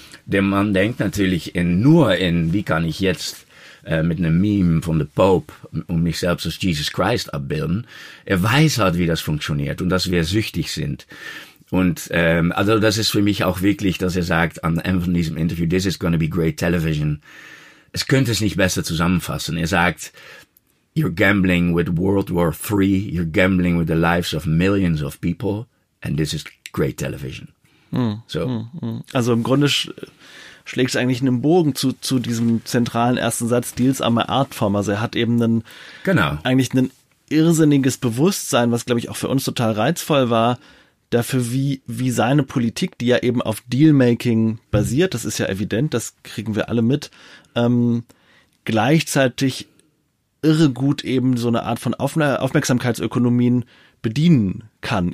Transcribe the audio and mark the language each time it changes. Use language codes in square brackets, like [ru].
[de] Der Mann denkt natürlich nur in, wie kann ich jetzt mit einem Meme von The Pope und mich selbst als Jesus Christ abbilden. Er weiß halt, wie das funktioniert und dass wir süchtig sind. Und also das ist für mich auch wirklich, dass er sagt am Ende von diesem Interview, [en] this is gonna be great television. [de] Es könnte es nicht besser zusammenfassen. Er sagt, [en] you're gambling with World War III, you're gambling with the lives of millions of people, and this is great television. [de] Also im Grunde schlägt es eigentlich einen Bogen zu diesem zentralen ersten Satz, [en] Deals are my art form. [de] Also er hat eben eigentlich ein irrsinniges Bewusstsein, was, glaube ich, auch für uns total reizvoll war, dafür, wie seine Politik, die ja eben auf Dealmaking basiert, das ist ja evident, das kriegen wir alle mit, gleichzeitig irre gut eben so eine Art von Aufmerksamkeitsökonomien bedienen kann.